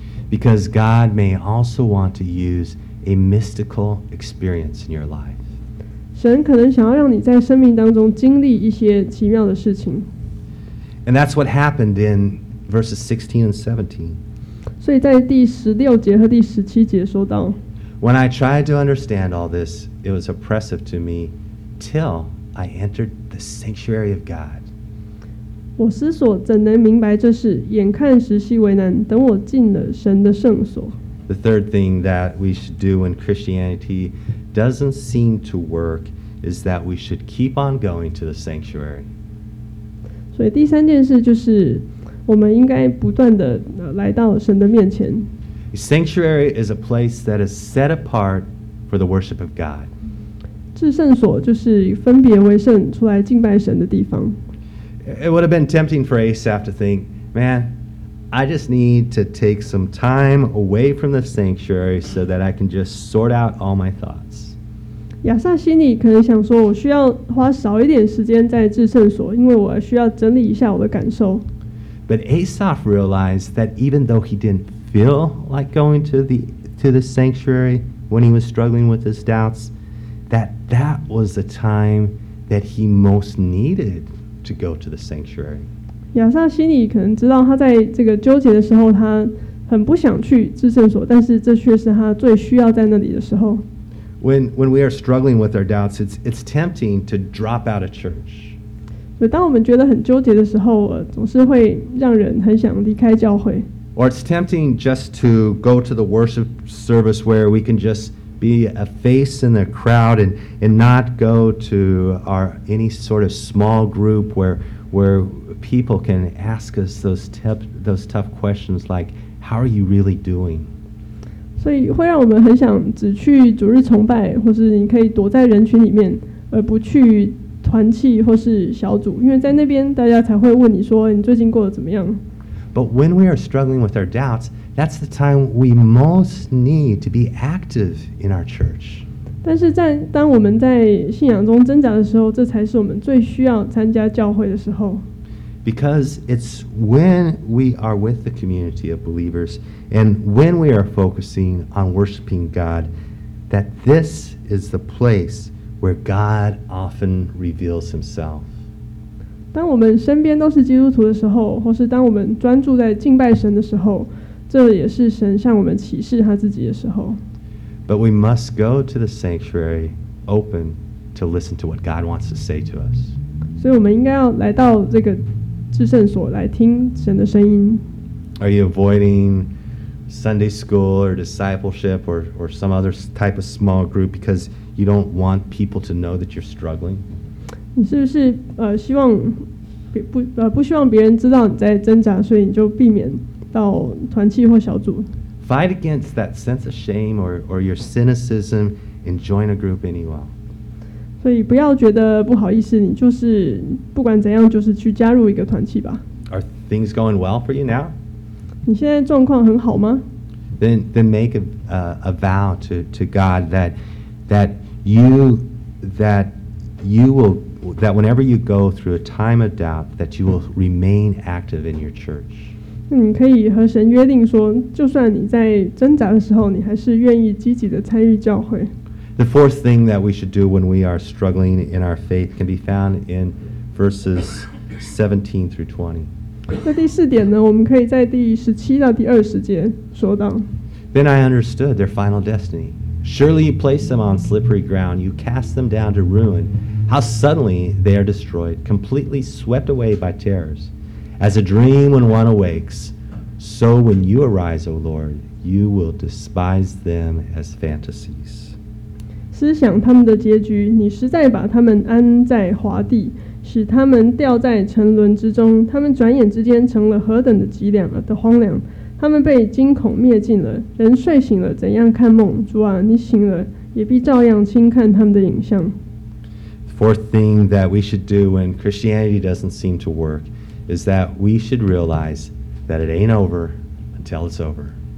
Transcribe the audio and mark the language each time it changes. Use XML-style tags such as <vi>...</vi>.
<en>Because God may also want to use a mystical experience in your life.</en> <zh>神可能想要让你在生命当中经历一些奇妙的事情。</zh> <en>And that's what happened in verses 16 and 17.</en> <zh>所以在第十六节和第十七节说到，</zh> <en>When I tried to understand all this, it was oppressive to me. Till I entered the sanctuary of God.</en> <zh>我思索怎能明白这事，眼看实系为难，等我进了神的圣所。</zh> <en>The third thing that we should do when Christianity doesn't seem to work is that we should keep on going to the sanctuary.</en> <zh>所以第三件事就是我们应该不断的来到神的面前。</zh> <en>A sanctuary is a place that is set apart for the worship of God.</en> <zh>至圣所就是分别为圣出来敬拜神的地方。</zh> <en>It would have been tempting for Asaph to think, man, I just need to take some time away from the sanctuary so that I can just sort out all my thoughts.</en> <zh>亚萨心里可能想说，我需要花少一点时间在至圣所，因为我需要整理一下我的感受。</zh> <en>But Asaph realized that even though he didn't feel like going to the to the sanctuary when he was struggling with his doubts, that was the time that he most needed to go to the sanctuary.</en> <zh>亚撒心里可能知道他在这个纠结的时候他很不想去至圣所但是这却是他最需要在那里的时候。</zh> <en>When we are struggling with our doubts, it's tempting to drop out of church.</en> <zh>所以当我们觉得很纠结的时候总是会让人很想离开教会。</zh> <en>Or it's tempting just to go to the worship service where we can just be a face in the crowd and not go to any sort of small group where people can ask us those tough questions like, how are you really doing?</en> <zh>所以会让我们很想只去主日崇拜或是你可以躲在人群里面而不去团契或是小组因为在那边大家才会问你说你最近过得怎么样。</zh> <en>But when we are struggling with our doubts, that's the time we most need to be active in our church.</en> <zh>但是在当我们在信仰中挣扎的时候，这才是我们最需要参加教会的时候。</zh> <en>Because it's when we are with the community of believers and when we are focusing on worshiping God that this is the place where God often reveals himself.</en> <zh>当我们身边都是基督徒的时候或是当我们专注在敬拜神的时候这也是神向我们启示他自己的时候。</zh> <en>But we must go to the sanctuary open to listen to what God wants to say to us.</en> <zh>所以我们应该要来到这个至圣所来听神的声音。</zh> <en>Are you avoiding Sunday school or discipleship or some other type of small group because you don't want people to know that you're struggling?</en> <zh>你是不是希望不希望别人知道你在挣扎，所以你就避免到团契或小组</zh> <en>？Fight against that sense of shame or your cynicism and join a group anyway.</en> <zh>所以不要觉得不好意思，你就是不管怎样，就是去加入一个团契吧。</zh> <en>Are things going well for you now?</en> <zh>你现在状况很好吗</zh> <en>？Then make a vow to God that whenever you go through a time of doubt, that you will remain active in your church.</en> <zh>你可以和神约定说，就算你在挣扎的时候，你还是愿意积极的参与教会。</zh> <en>The fourth thing that we should do when we are struggling in our faith can be found in verses 17 through 20.</en> <zh>第四点呢，我们可以在第十七到第二十节说到。</zh> <en>Then I understood their final destiny. Surely you place them on slippery ground. You cast them down to ruin. How suddenly they are destroyed, completely swept away by terrors. As a dream when one awakes, so when you arise, O Lord, you will despise them as fantasies.</en> <zh>思想他们的结局，你实在把他们安在滑地，使他们掉在沉沦之中。他们转眼之间成了何等的脊梁的荒凉！他们被惊恐灭尽了。人睡醒了，怎样看梦？主啊，你醒了，也必照样轻看他们的影像。</zh> <en>Fourth thing that we should do when Christianity doesn't seem to work is that we should realize that it ain't over until it's over.</en>